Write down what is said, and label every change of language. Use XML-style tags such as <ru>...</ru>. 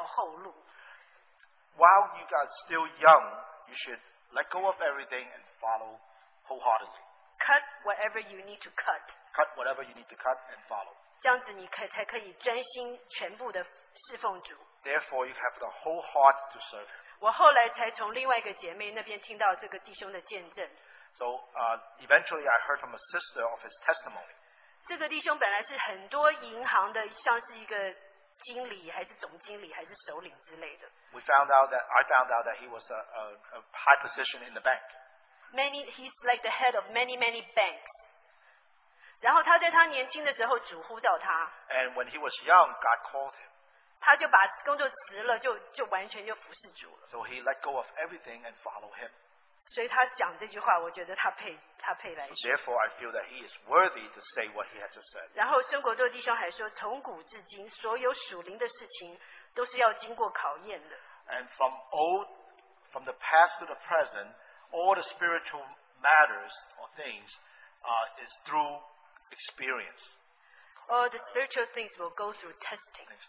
<zh>他说趁着你年轻还有时间的时候，要尽快截掉后路。</zh> <en>While you got still young, you should let go of everything and follow wholeheartedly. Cut whatever you need to cut. Cut whatever you need to cut and follow.</en> <zh>这样子你才可以专心全部的侍奉主。</zh> <en>Therefore, you have the whole heart to serve Him.</en> <zh>我后来才从另外一个姐妹那边听到这个弟兄的见证。</zh> <en>So eventually I heard from a sister of his testimony.</en> <zh>这个弟兄本来是很多银行的，像是一个经理还是总经理还是首领之类的。</zh> <en>We found out that I found out that he was a high position in the bank. Many, he's like the head of many banks. And when he was young, God called him.</en> <zh>他就把工作辞了，就完全就服侍主了。</zh> <en>So he let go of everything and follow him.</en> <zh>所以他讲这句话，我觉得他配来说。</zh> <en>So therefore, I feel that he is worthy to say what he has just said.</en> <zh>然后孙国洲弟兄还说，从古至今，所有属灵的事情都是要经过考验的。</zh> <en>And from the past to the present, all the spiritual matters or things is through experience. All the spiritual things will go through testing.</en>